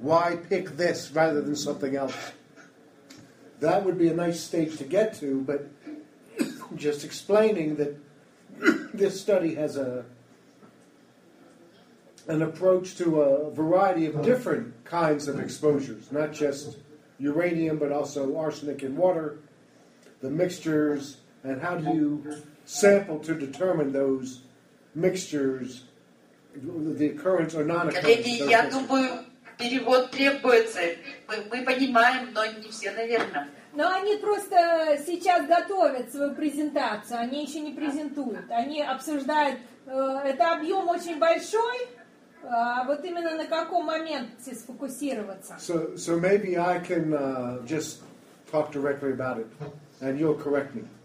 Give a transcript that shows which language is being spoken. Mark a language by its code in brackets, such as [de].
[en] Why pick this rather than something else? That would be a nice stage to get to, but just explaining that this study has an approach to a variety of different kinds of exposures, not just uranium, but also arsenic in water, the mixtures, and how do you sample to determine those mixtures, the occurrence or non-occurrence. [ru] Коллеги, я думаю, перевод требуется. Мы понимаем, но не все, наверное. Но они просто сейчас готовят свою презентацию. Они еще не презентуют. Они обсуждают. Это объем очень большой. Вот именно на каком моменте сфокусироваться. [en] So maybe I can just talk directly about it, and you'll correct me.